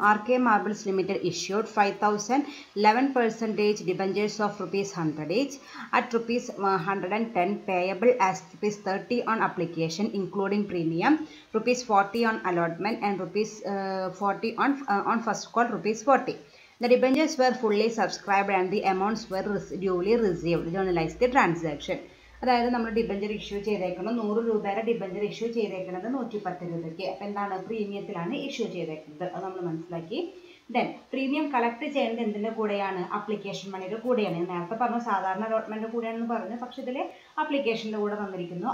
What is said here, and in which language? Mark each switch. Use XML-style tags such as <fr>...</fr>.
<en>R K marbles limited issued 5,011% debentures of ₹100 at ₹110 payable as ₹30 on application including premium, ₹40 on allotment and ₹40 on first call ₹40. The debentures were fully subscribed and the amounts were duly received. Journalize the transaction.</en> <ml>അതായത് നമ്മൾ debenture issue ചെയ്തേക്കുന്നത് 100 രൂപയുടെ debenture issue ചെയ്തേക്കുന്നത് 110 രൂപയ്ക്ക്, അപ്പോൾ എന്താണ് പ്രീമിയത്തിലാണ് issue ചെയ്തേക്കുന്നത്, അത് നമ്മൾ മനസ്സിലാക്കി. ദെൻ പ്രീമിയം കളക്ട് ചെയ്യേണ്ടത് എന്തിൻ്റെ കൂടെയാണ്? അപ്ലിക്കേഷൻ മണിയുടെ കൂടെയാണ്. ഞാൻ നേരത്തെ പറഞ്ഞു സാധാരണ അലോട്ട്മെൻറ്റ് കൂടെയാണെന്ന് പറഞ്ഞു, പക്ഷേ ഇതിൽ അപ്ലിക്കേഷൻ്റെ കൂടെ തന്നിരിക്കുന്നു.</ml>